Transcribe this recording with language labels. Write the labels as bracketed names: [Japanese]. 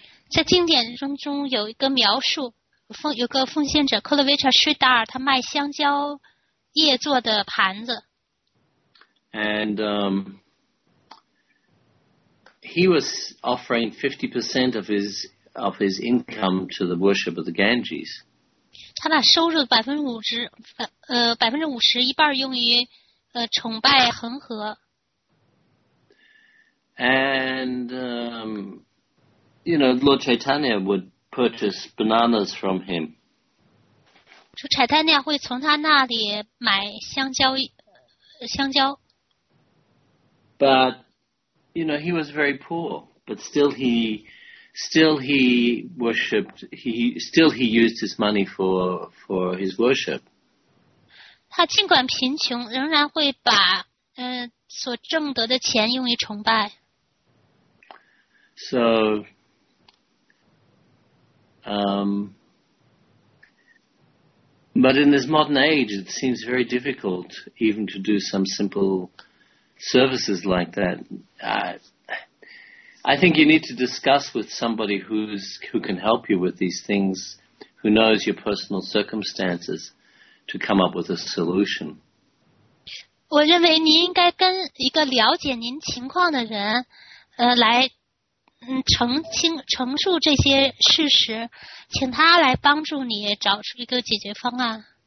[Chinese] 在经典中有一个描述，有个奉献者 Kulavecha Sridhar, 他卖香蕉叶做的盘子。 [English] And he was offering 50% of his income to the worship of the Ganges. [Chinese] 他把收入50%一半用于崇拜恒河。 [English] And you know, Lord Chaitanya would purchase bananas from him. [Chinese] 就柴太尼亚会从他那里买香蕉。 [English] But you know, he was very poor, but still he used his money for his worship. [Chinese] 他尽管贫穷，仍然会把所挣得的钱用于崇拜。 [English] So, but in this modern age, it seems very difficult even to do some simple services like that. I think you need to discuss with somebody who can help you with these things, who knows your personal circumstances, to come up with a solution. [Chinese] 我认为您应该跟一个了解您情况的人来澄清陈述这些事实，请他来帮助你找出一个解决方案。